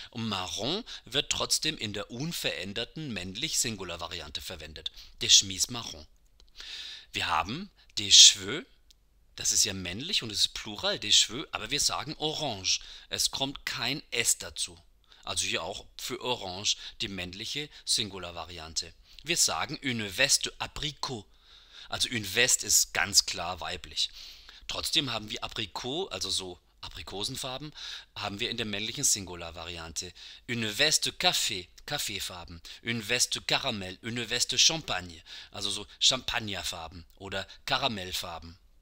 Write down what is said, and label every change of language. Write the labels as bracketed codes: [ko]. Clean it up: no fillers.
[de] Und marron wird trotzdem in der unveränderten männlich Singular-Variante verwendet. [fr] Des chemises marron. [de] Wir haben [fr] des cheveux, [de] das ist ja männlich und es ist Plural, des cheveux, aber wir sagen orange. Es kommt kein S dazu. Also hier auch für orange die männliche Singular-Variante. Wir sagen [fr] une veste abricot. [de] Also une veste ist ganz klar weiblich. Trotzdem haben wir Aprikot, also so Aprikosenfarben, haben wir in der männlichen Singular-Variante. [fr] Une veste café, Kaffeefarben. Une veste caramel, une veste champagne, [de] also so Champagnerfarben oder Karamellfarben.